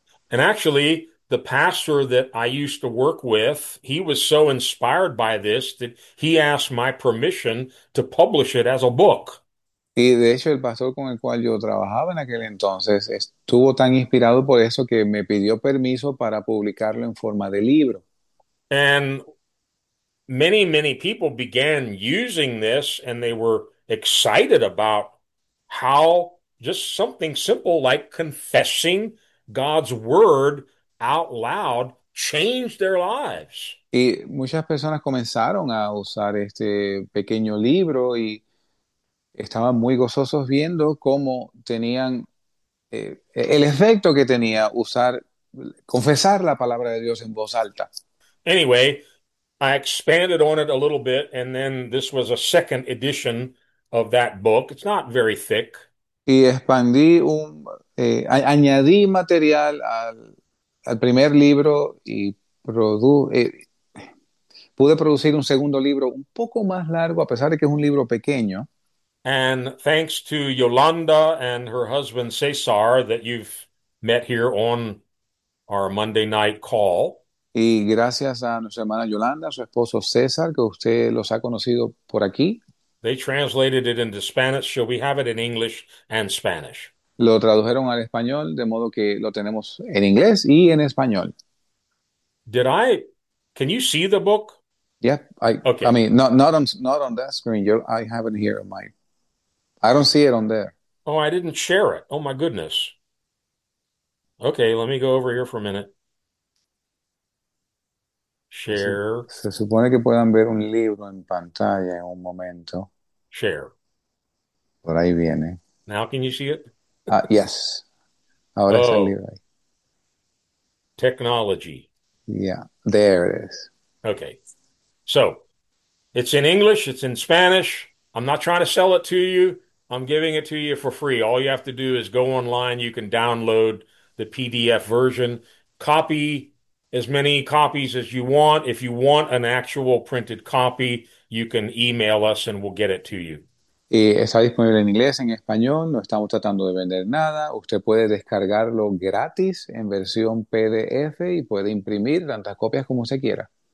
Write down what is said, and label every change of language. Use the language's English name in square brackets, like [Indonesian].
[English] And actually, the pastor that I used to work with, he was so inspired by this that he asked my permission to publish it as a book. [Spanish] Y de hecho el pastor con el cual yo trabajaba en aquel entonces estuvo tan inspirado por eso que me pidió permiso para publicarlo en forma de libro. [English] And many, many people began using this and they were excited about how just something simple like confessing God's word out loud changed their lives. [Spanish] Y muchas personas comenzaron a usar este pequeño libro y estaban muy gozosos viendo cómo tenían el efecto que tenía usar, confesar la palabra de Dios en voz alta. [English] Anyway, I expanded on it a little bit, and then this was a second edition of that book. It's not very thick. [Spanish] Y expandí un, añadí material al primer libro y pude producir un segundo libro un poco más largo, a pesar de que es un libro pequeño. [English] And thanks to Yolanda and her husband Cesar that you've met here on our Monday night call. [Spanish] Y gracias a nuestra hermana Yolanda, su esposo César, que usted los ha conocido por aquí. [English] They translated it into Spanish, so we have it in English and Spanish. [Spanish] Lo tradujeron al español, de modo que lo tenemos en inglés y en español. [English] Can you see the book? Yep, I Okay. mean, not on that screen. I have it here on my. I don't see it on there. Oh, I didn't share it. Oh, my goodness. Okay, let me go over here for a minute. Share. [Spanish] Se supone que puedan ver un libro en pantalla en un momento. [English] Share. [Spanish] Por ahí viene. [English] Now, can you see it? Ah, yes. [Spanish] Ahora está el [English] Oh, [Spanish] libro ahí. [English] technology. Yeah, there it is. Okay. So it's in English, it's in Spanish. I'm not trying to sell it to you. I'm giving it to you for free. All you have to do is go online. You can download the PDF version, copy as many copies as you want. If you want an actual printed copy, you can email us and we'll get it to you. [Spanish] Está disponible en inglés, en español, no estamos tratando de vender nada. Usted puede descargarlo gratis en versión PDF y puede imprimir tantas copias como usted quiera.